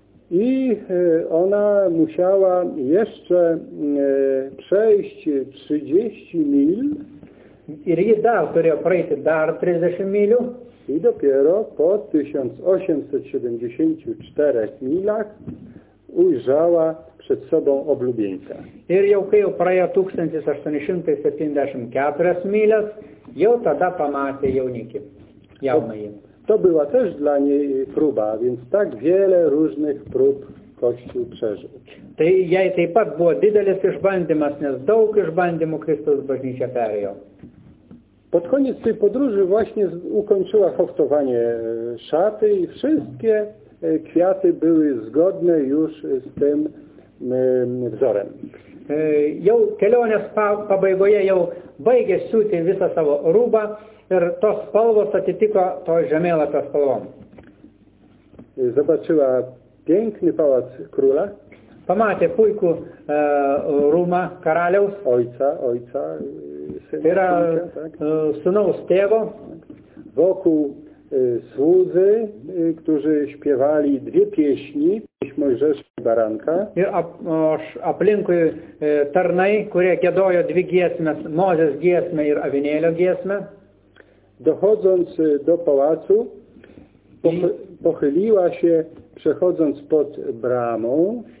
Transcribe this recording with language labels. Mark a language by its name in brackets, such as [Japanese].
[Polish] I ona musiała jeszcze przejść 30 mil. [Lithuanian] Ir ji dar turėjo praeiti dar 30 milių. [Polish] I dopiero po 1874 milach ujrzała przed sobą oblubieńca. [Lithuanian] Ir jau kai jau praėjo 1874 milias, jau tada pamatė jaunikį, jaunąjį. [Polish] To była też dla niej próba, więc tak wiele różnych prób Kościół przeżył. [Lithuanian] Tai jej taip pat buvo didelis išbandymas, nes daug išbandymų Kristus bažnyčia perėjo. [Polish] Pod koniec tej podróży właśnie ukończyła hoftowanie szaty i wszystkie kwiaty były zgodne już z tym wzorem. [Lithuanian] Jau kelionės pabaigoje jau baigė siūti visą savo rūbą. Ir tos spalvos atitiko to žemėlapio spalvom. [Polish] Zobaczyła piękny pałac króla. [Lithuanian] Pamatė puikų rūmą karaliaus. [Polish] Ojca. [Lithuanian] Tai yra sūnaus tėvo. [Polish] Wokół słudzy, którzy śpiewali dwie pieśni, pieśń Mojżesza i Baranka. [Lithuanian] Ir aplinkui tarnai, kurie giedojo [Polish] dwie [Lithuanian] giesmės, Mozės giesmę ir Avinėlio giesmę. [Polish] Dochodząc do pałacu, pochyliła się, przechodząc pod bramą.